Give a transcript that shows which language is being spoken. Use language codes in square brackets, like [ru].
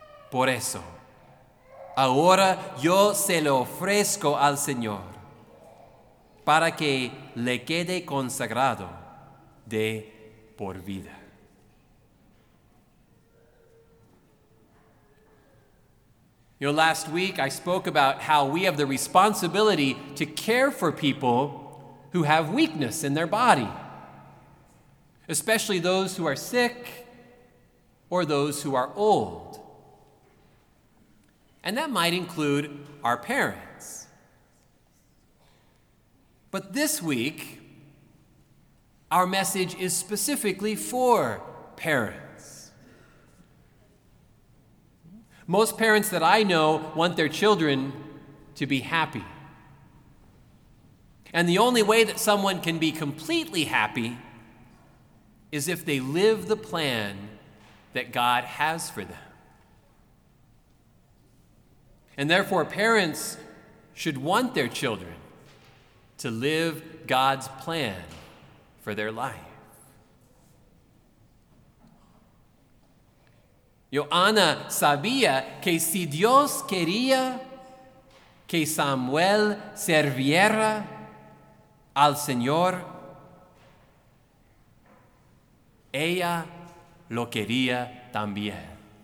[es] Por eso, ahora yo se lo ofrezco al Señor, para que le quede consagrado de por vida. [en] You know, last week I spoke about how we have the responsibility to care for people who have weakness in their body, especially those who are sick or those who are old. And that might include our parents. But this week, our message is specifically for parents. Most parents that I know want their children to be happy. And the only way that someone can be completely happy is if they live the plan that God has for them. And therefore, parents should want their children to live God's plan for their life. [es] Joana sabía que si Dios quería que Samuel serviera al Señor, ella lo quería también.